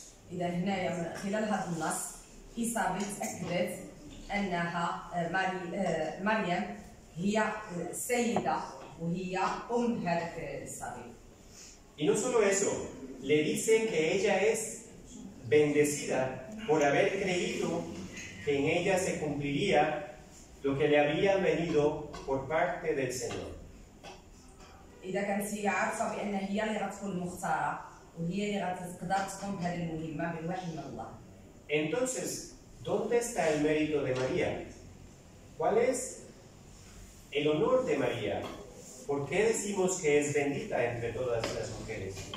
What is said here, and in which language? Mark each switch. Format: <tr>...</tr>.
<es>Y no solo eso, le dicen que ella es bendecida por haber creído que en ella se cumpliría lo que le había venido por parte del Señor.</es> <ar>إذا كانت هي عارفة بأن هي اللي غتكون مختارة وهي اللي غتقدر تقوم بهذه المهمة بالوحي من الله.</ar> <es>Entonces, ¿dónde está el mérito de María? ¿Cuál es el honor de María? ¿Por qué decimos que es bendita entre todas las mujeres?</es>